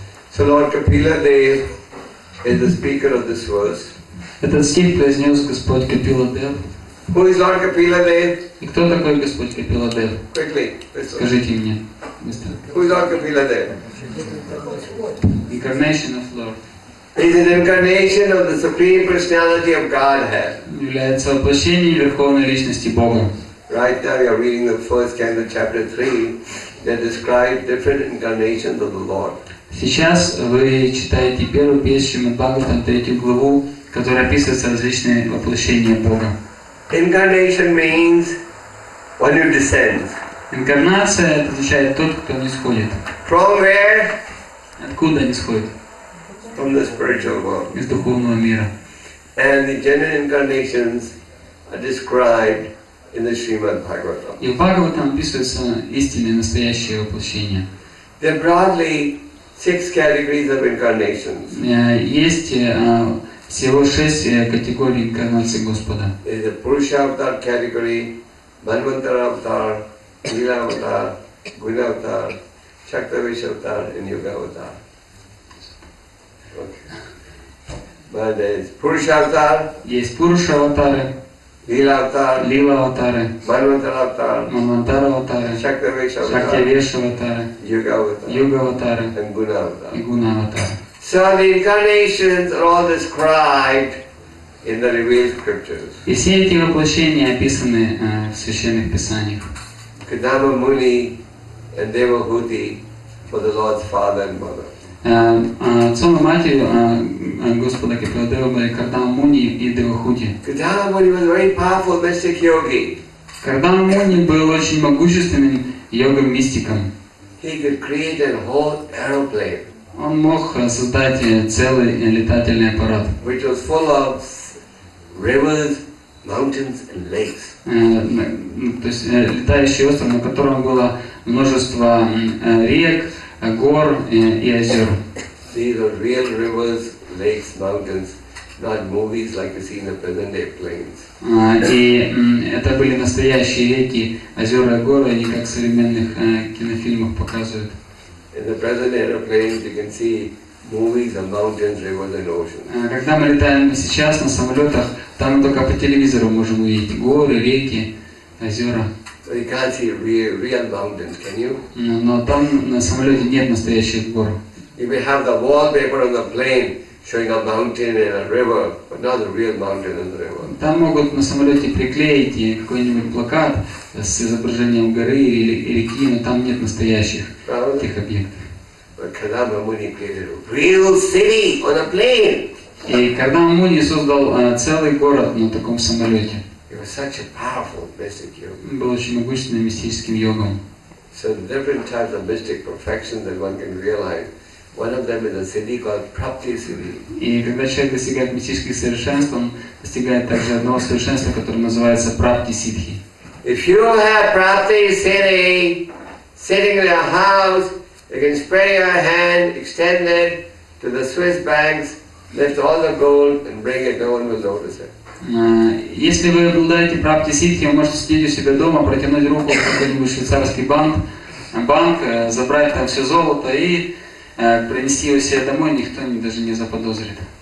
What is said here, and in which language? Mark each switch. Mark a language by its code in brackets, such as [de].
[en] So Lord Kapila Dev is the speaker of this verse. [ru] Этот стих произнес Господь Капила Дев. [en] Who is Lord Kapila Dev? [ru] И кто такой Господь Капила Дев? [en] Quickly, [ru] скажите мне, [en] Who is Lord Kapila Dev? Incarnation of Lord. He is an incarnation of the Supreme Personality of Godhead. [ru] Является воплощением Верховной Личности Бога. [en] Right now we are reading the first canto, chapter 3, that describes different incarnations of the Lord. [ru] Сейчас вы читаете первую песню Шримад-Бхагаватам, третью главу, которая описывает различные воплощения Бога. [en] Incarnation means one who descends. [ru] Инкарнация означает тот, кто нисходит. [en] From where? [ru] Откуда нисходит? [en] From the spiritual world. [ru] Из духовного мира. [en] And the general incarnations are described in the Srimad Bhagavatam. [ru] И в Бхагаватам описывается истинное, настоящее воплощение. [en] There are broadly six categories of incarnations. [ru] Есть всего шесть категорий инкарнации Господа. [en] There's a Purusha avatar category, Manvantara avatar, Lila avatar, Guna avatar, Shakta Vishavatar in Yoga Avatar. Okay. But there is Purusha Avatar. Yes, Purusha Avatar. Lila Avatar. Lila Avatar. Manvantara Avatar. Manvantara Avatar. Shakta Vishavatar. Shakta Vishavatar. Yoga Avatar. Yoga Avatar. And Guna Avatar. And Guna Avatar. So the incarnations are all described in the revealed scriptures. [ru] И все эти воплощения описаны в священных писаниях. [en] Kadama Muni and Devahuti for the Lord's father and mother. [ru] Отцом и матерью Господа Кипрадева были Кардама Муни и Девахути. [en] Кардама Муни was a very powerful mystic yogi. [ru] Кардама Муни был очень могущественным йогом-мистиком. [en] He could create a whole aeroplane. [ru] Он мог создать целый летательный аппарат. [en] Which was full of rivers, mountains, and lakes. [ru] То есть летающий остров, на котором было множество рек, гор и озер. [en] These are real rivers, lakes, mountains, not movies like you see in the present-day planes. [ru] И это были настоящие реки, озера, горы, не как в современных кинофильмах показывают. [en] In the present airplanes, you can see movies of mountains, rivers, and oceans. [ru] Когда мы летаем сейчас на самолетах, там только по телевизору можем увидеть горы, реки, озера. [en] So you can't see real mountains, can you? [ru] Но там на самолете нет настоящих гор. [en] You may have the wallpaper on the plane showing a mountain and a river, but not a real mountain and a river. [ru] Там могут на самолете приклеить какой-нибудь плакат с изображением горы или реки, но там нет настоящих этих объектов. [en] But Kadama Muni created a real city on a plane. [ru] И Кардама Муни создал целый город на таком самолете. [en] He was such a powerful mystic yogi. [ru] Он был очень могущественным мистическим йогом. [en] So the different types of mystic perfection that one can realize. One of them is a city called Prapti City. [ru] И когда человек достигает мистических совершенств, он достигает также одного совершенства, которое называется Прапти Сиддхи. [en] If you have Prapti City sitting in your house, you can spread your hand, extend it to the Swiss banks, lift all the gold and bring it, no one will notice it. [ru] Если вы обладаете Прапти Сиддхи, вы можете сидеть у себя дома, протянуть руку в какой-нибудь швейцарский банк, забрать там все золото и принести его себе домой, никто даже не заподозрит.